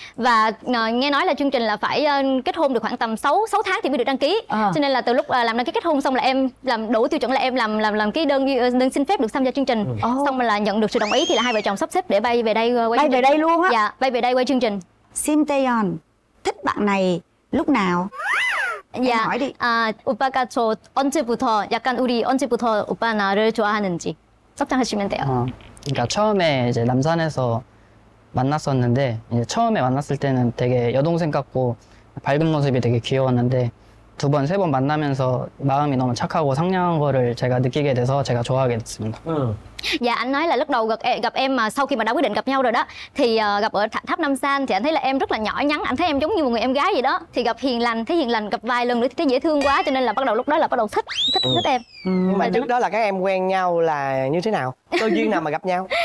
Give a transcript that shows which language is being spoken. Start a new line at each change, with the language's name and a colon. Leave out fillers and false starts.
Vietnamese: Và nghe nói là chương trình là phải kết hôn được khoảng tầm 6 tháng thì mới được đăng ký. Cho nên là từ lúc làm đăng ký kết hôn xong là em làm đủ tiêu chuẩn là em làm cái đơn xin phép được tham gia chương trình. Xong là nhận được sự đồng ý thì là hai vợ chồng sắp xếp để bay về đây quay chương trình. Bay về đây luôn á? Dạ, bay về đây quay chương trình. Kim Tae Hyun, thích bạn này lúc nào? Dạ, em hỏi đi.
Korean: À, 오빠가 저 언제부터 약간 우리 언제부터 오빠 나를 좋아하는지 설명하시면 돼요. 그러니까 처음에 이제 남산에서 만났었는데 이제 처음에 만났을 때는 되게 여동생 같고 밝은 모습이 되게 귀여웠는데 두 번, 세 번 만나면서 마음이 너무 착하고 상냥한 거를 제가 느끼게 돼서 제가 좋아하게 됐습니다.
Vietnamese: Dạ, anh nói là lúc đầu gặp em mà sau khi mà đã quyết định gặp nhau rồi đó thì gặp ở tháp Nam San thì anh thấy là em rất là nhỏ nhắn, anh thấy em giống như một người em gái gì đó, thì gặp hiền lành, thấy hiền lành, gặp vài lần nữa thì thấy dễ thương quá, cho nên là bắt đầu lúc đó là bắt đầu thích em. Mà trước đó là các em quen nhau là như thế nào, cơ duyên nào mà gặp nhau?